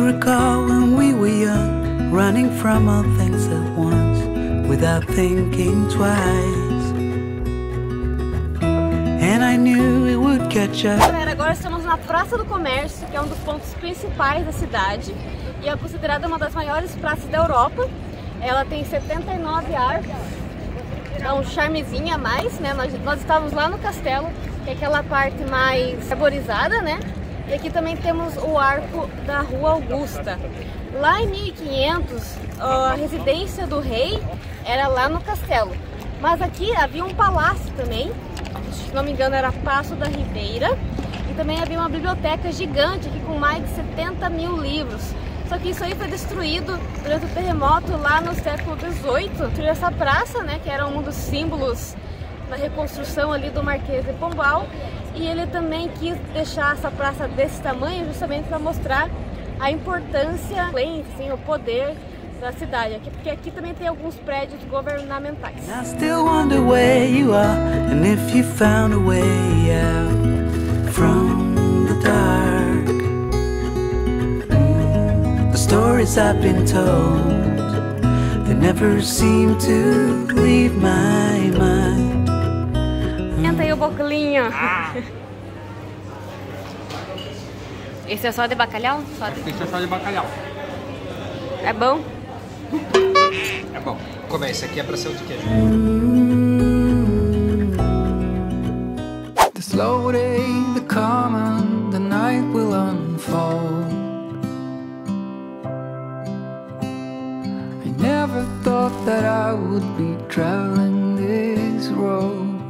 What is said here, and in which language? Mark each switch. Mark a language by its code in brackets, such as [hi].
[en] When we were young, running from all things at once, without thinking twice. And I knew it would catch up. [pt] Galera, agora estamos na Praça do Comércio, que é um dos pontos principais da cidade e é considerada uma das maiores praças da Europa. Ela tem 79 arcos, dá um charmezinho a mais, né? Nós estávamos lá no castelo, que é aquela parte mais arborizada, né? E aqui também temos o arco da Rua Augusta. Lá em 1500, a residência do rei era lá no castelo. Mas aqui havia um palácio também, se não me engano era Passo da Ribeira. E também havia uma biblioteca gigante aqui com mais de 70 mil livros. Só que isso aí foi destruído durante o terremoto lá no século XVIII. Destruiu essa praça, né, que era um dos símbolos da reconstrução ali do Marquês de Pombal. E ele também quis deixar essa praça desse tamanho justamente para mostrar a importância, além, assim, o poder da cidade aqui, porque aqui também tem alguns prédios governamentais. [en] I still wonder where you are and if you found a way out from the dark. The stories I've been told, they never seem to leave my mind. [pt] Senta aí o boclinho. Ah. Esse é só de bacalhau? Só de... Esse é só de bacalhau. É bom? É bom. Como é? Esse aqui é pra ser o de queijo. [en] The slow day, the calm, the night will unfold. I never thought that I would be traveling this road.